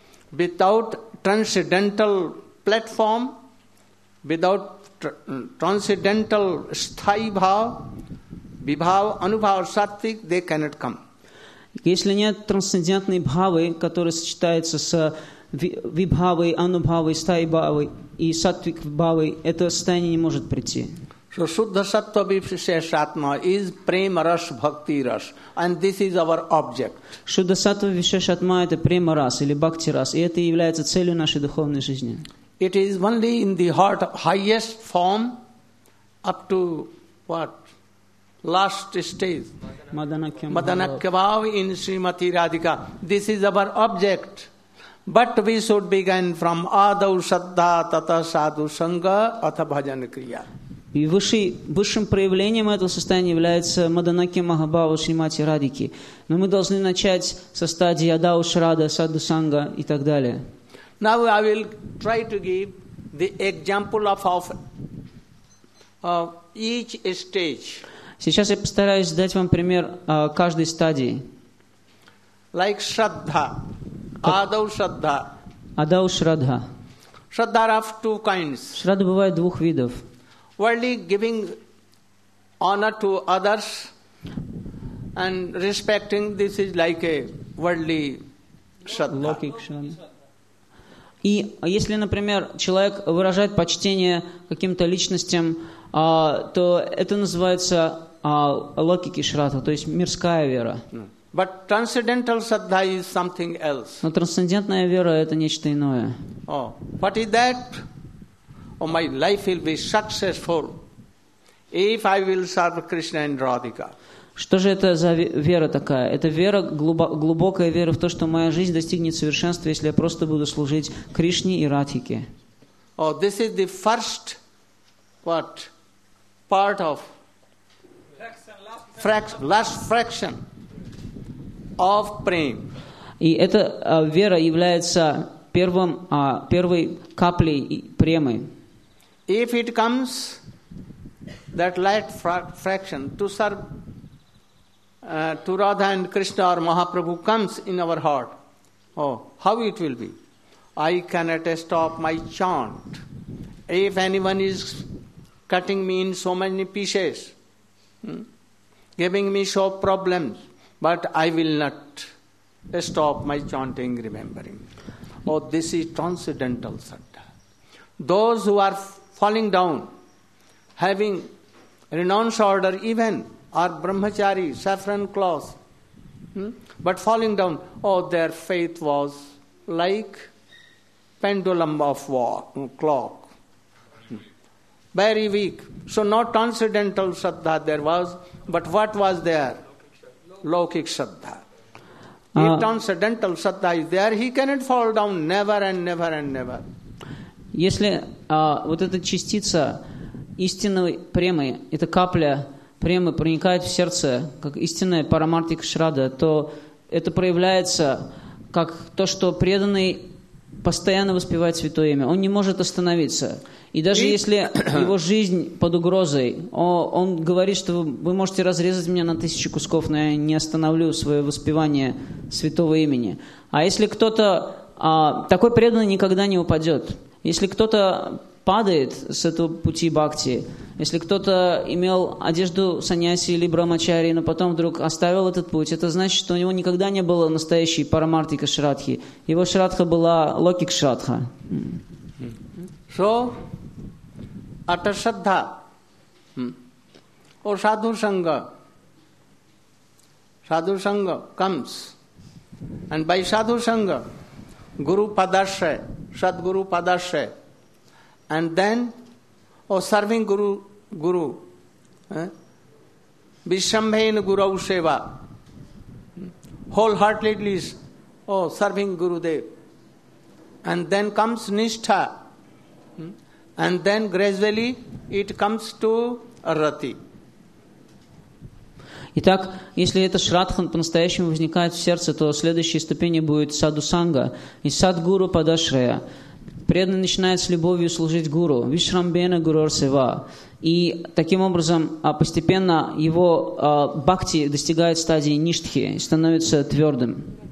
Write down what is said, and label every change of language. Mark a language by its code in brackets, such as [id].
[en] Without transcendental platform, without transcendental sthai bhav, vibhav, anubhav, sattvik, they cannot come. [ru] Если нет трансцендентной бхавы, которая сочетается с вибхавой, анубхавой, стхай бхавой и саттвик бхавой, это состояние не может прийти. [en] So Shuddha Sattva Visheshatma is Prema Ras Bhakti Ras, and this is our object. [ru] Shuddha Sattva Visheshatma is Prema Ras или Bhakti Ras, и это является целью нашей духовной жизни. [en] It is only in the heart of highest form up to what? Last stage. Madanakya Bhava in Srimati Radhika. This is our object. But we should begin from Adav Saddha Tata Sadhu Sangha Atha Bhajan Kriya. [ru] И высшим проявлением этого состояния является Маданаки Махабхава Шримати Радики. Но мы должны начать со стадии Адау Шрада, Садду Санга и так далее. [en] Now I will try to give the example of each stage. [ru] Сейчас я постараюсь дать вам пример каждой стадии. [en] Like Шрадха, Адау Шрадха. [ru] Адау Шрадха. [en] Шрадха of two kinds. [ru] Шрадха бывает двух видов. [en] Worldly giving honor to others and respecting, this is like a worldly shraddha. [ru] И если, например, человек выражает почтение каким-то личностям, то это называется локики шрадха, то есть мирская вера. [en] But transcendental shraddha is something else. [ru] Но трансцендентная вера – это нечто иное. [en] Oh, what is that? Oh, my life will be successful if I will serve Krishna and Radhika. [ru] Что же это за вера такая? Это вера, глубокая вера в то, что моя жизнь достигнет совершенства, если я просто буду служить Кришне и Радхике. [en] Oh, this is the first what? Part of last fraction of prem. [ru] И эта вера является первой каплей премы. [en] If it comes, that light fraction, to serve to Radha and Krishna or Mahaprabhu comes in our heart, oh, how it will be? I cannot stop my chant. If anyone is cutting me in so many pieces, giving me so problems, but I will not stop my chanting, remembering. Oh, this is transcendental Sattva. Those who are falling down, having renounced order even, or brahmachari, saffron cloth, but falling down, oh, their faith was like pendulum of clock, very weak. So not transcendental shraddha there was, but what was there? Laukik shraddha. If transcendental shraddha is there, he cannot fall down never and never and never. [ru] Если вот эта частица истинной премы, эта капля премы проникает в сердце, как истинная парамартик шрада, то это проявляется как то, что преданный постоянно воспевает святое имя. Он не может остановиться. И даже если его жизнь под угрозой, он говорит, что вы можете разрезать меня на тысячи кусков, но я не остановлю свое воспевание святого имени. А если кто-то... такой преданный никогда не упадет. Если кто-то падает с этого пути бхакти. Если кто-то имел одежду саньяси или брамачари, но потом вдруг оставил этот путь, это значит, что у него никогда не было настоящей парамартика шрадхи. Его шрадха была локик шрадха. [en] So, атасаддха, or sadhu sangha, comes, and by sadhu sangha, guru padashre, sadguru padashre, and then, serving guru, vishambhena gurau seva, wholeheartedly, serving gurudev, and then comes nishtha, and then gradually it comes to rati. [ru] Итак, если эта шрадха по-настоящему возникает в сердце, то следующей ступени будет саду-санга и сад-гуру падашрея. Преданный начинает с любовью служить гуру, вишрамбена гурор-сева. И таким образом постепенно его бхакти достигает стадии ништхи, становится твердым.